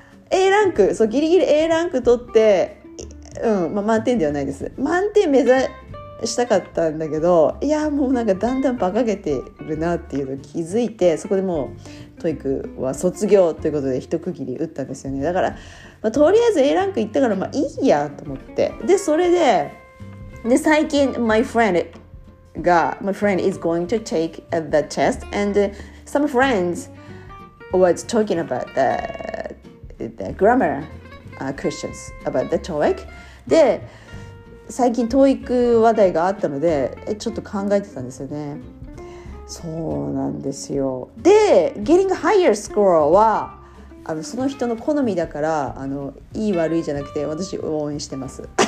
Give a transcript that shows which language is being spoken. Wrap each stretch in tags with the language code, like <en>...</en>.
<ja>A ランク、そうギリギリ A ランク取って、うん、まあ、満点ではないです。満点目指したかったんだけど、いやもうなんかだんだん馬鹿げてるなっていうのを気づいて、そこでもうトイックは卒業ということで一区切り打ったんですよね。だから、まあ、とりあえず A ランク行ったからまあいいやと思って。でそれで、で最近</ja> <en>my friend is going to take the test and some friends. Was talking about the grammar questions about the TOEIC.</en> <ja>で、最近 TOEIC 話題があったので、ちょっと考えてたんですよね。そうなんですよ。で、</ja> <en>getting higher score</en> <ja>はその人の好みだから、いい悪いじゃなくて私応援してます。</ja>